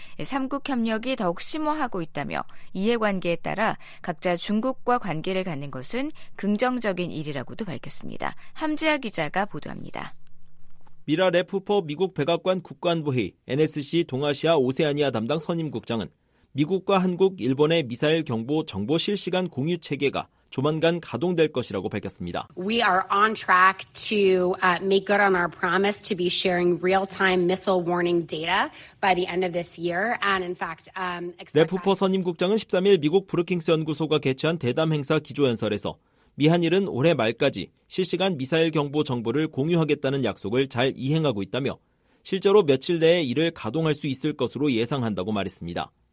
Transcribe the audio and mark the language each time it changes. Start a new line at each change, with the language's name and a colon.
Korean: 3국 협력이 더욱 심화하고 있다며 이해관계에 따라 각자 중국과 관계를 갖는 것은 긍정적인 일이라고도 밝혔습니다. 함지아 기자가 보도합니다. 미라 레프포 미국 백악관 국관보위 NSC 동아시아 오세아니아 담당 선임국장은 미국과 한국, 일본의 미사일 경보 정보 실시간 공유 체계가 조만간 가동될 것이라고 밝혔습니다.
English: We are on track to make good on our promise to be sharing real-time missile warning data by the end of this year. And in fact,
Korean: 레프퍼 선임 국장은 13일 미국 브루킹스 연구소가 개최한 대담 행사 기조 연설에서 미한일은 올해 말까지 실시간 미사일 경보 정보를 공유하겠다는 약속을 잘 이행하고 있다며 실제로 며칠 내에 이를 가동할 수 있을 것으로 예상한다고 말했습니다.